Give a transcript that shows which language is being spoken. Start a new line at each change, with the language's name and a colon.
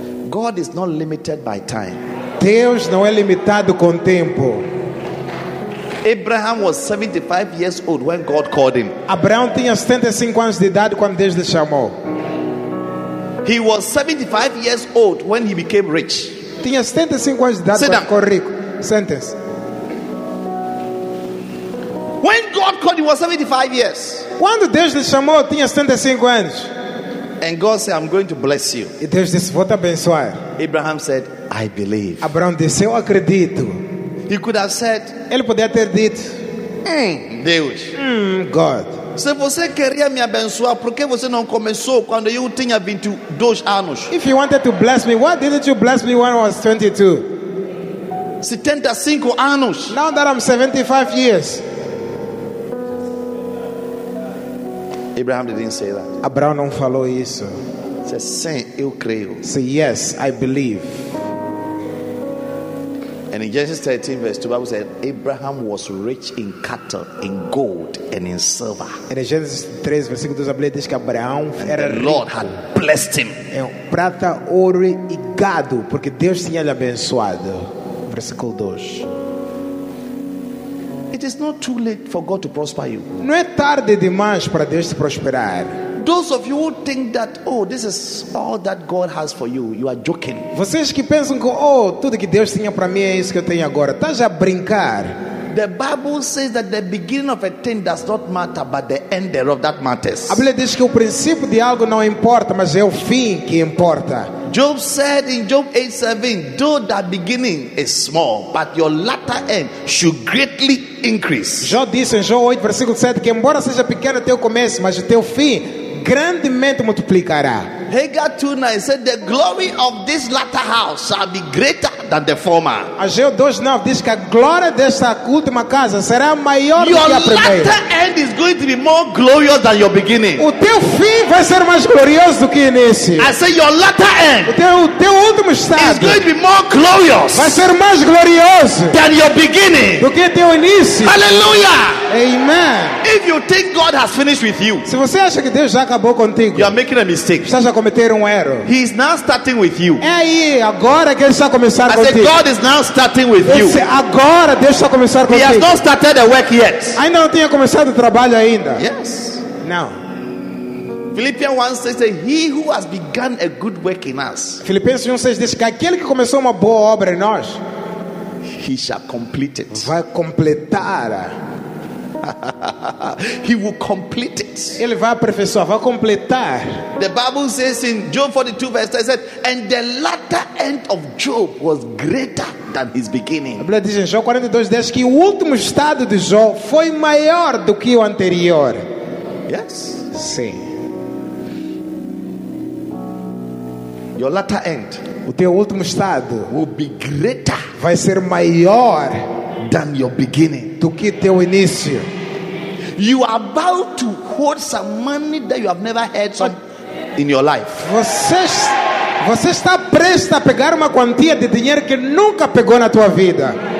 English: God is not limited by time.
Portuguese: Deus não é limitado com tempo.
English: Abraham was 75 years old when God called him.
Portuguese: Abraão tinha 75 anos de idade quando Deus lhe chamou.
English: He was 75 years old when he became rich.
Portuguese: Tinha 75 anos de idade quando ficou rico.
English: Sentence. When God called him, he was 75 years.
Portuguese: Quando Deus lhe chamou, tinha 75 anos.
English: And God said, I'm going to bless you.
Portuguese: E Deus disse, vou te abençoar.
English: Abraham said, I believe.
Portuguese: Abraão disse, eu acredito.
English: He could have said,
Portuguese: ele poderia ter dito, Deus.
English: God.
Portuguese: Se você queria me abençoar, por que você não começou quando eu tinha 22 anos?
English: If you wanted to bless me, why didn't you bless me when I was 22?
Portuguese: 75 anos.
English: Now that I'm 75 years. Abraham didn't say that.
Portuguese: Abraão não falou isso.
English: Say,
Portuguese: sim, eu creio.
English: Say, yes, I believe. And in Genesis 13, verse 2, the Bible said, Abraham was rich in cattle, in gold, and in silver. And in Genesis 13, verse 2, the Bible says that
Portuguese: Abraão era rico.
English: The Lord had blessed him.
Portuguese: Em prata, ouro e gado, porque Deus tinha lhe abençoado. Versículo 2.
English: It is not too late for God to prosper you.
Portuguese: Não é tarde demais para Deus te prosperar.
English: Those of you who think that, oh, this is all that God has for you, you are joking.
Portuguese: Vocês que pensam que, oh, tudo que Deus tinha para mim é isso que eu tenho agora, tá já a brincar.
English: The Bible says that the beginning of a thing does not matter, but the end thereof that matters.
Portuguese: A Bíblia diz que o princípio de algo não importa, mas é o fim que importa.
English: Job said in Job 8:7, though that beginning is small, but your latter end should greatly increase.
Portuguese: Jó disse em Jó 8, versículo 7, que embora seja pequeno o teu começo, mas o teu fim grandemente multiplicará.
English: Haggai 2:9 said, the glory of this latter house shall be greater than the former.
Portuguese: Ageu 2:9 diz que a glória desta última casa será maior do que a primeira.
English: Your latter end is going to be more glorious than your beginning.
Portuguese: O teu fim vai ser mais glorioso do que início.
English: I say your latter end.
Portuguese: O teu último estado.
English: Is going to be more glorious.
Portuguese: Vai ser mais glorioso.
English: Than your beginning.
Portuguese: Do que teu início.
English: Hallelujah. Amen. If you think God has finished with you.
Portuguese: Se você acha que Deus já acabou contigo.
English: You are making a mistake.
Portuguese: A cometer erro.
English: He is now starting with you.
Portuguese: É aí, agora que ele está a começar contigo.
English: I said God is now starting with you.
Portuguese: Agora Deus está a começar contigo.
English: He has not started the work yet.
Portuguese: Ainda não tinha começado o trabalho ainda.
English: Yes. Now. Philippians 1:6 says he who has begun a good work in us.
Portuguese: Filipenses 1:6 diz que aquele que começou uma boa obra em nós,
English: he shall complete it.
Portuguese: Vai completar.
English: He will complete it.
Portuguese: Ele vai aperfeiçoar, vai completar.
English: The Bible says in Job 42 verse 10, and the latter end of Job was greater than his beginning.
Portuguese: A Bíblia diz em Jó 42:10 que o último estado de Jó foi maior do que o anterior.
English: Yes.
Portuguese: Sim.
English: Your latter end.
Portuguese: O teu último estado
English: will be greater.
Portuguese: Vai ser maior.
English: Than your beginning.
Portuguese: Do que teu início.
English: You are about to hold some money that you have never heard some in your life.
Portuguese: Você está prestes a pegar uma quantia de dinheiro que nunca pegou na tua vida.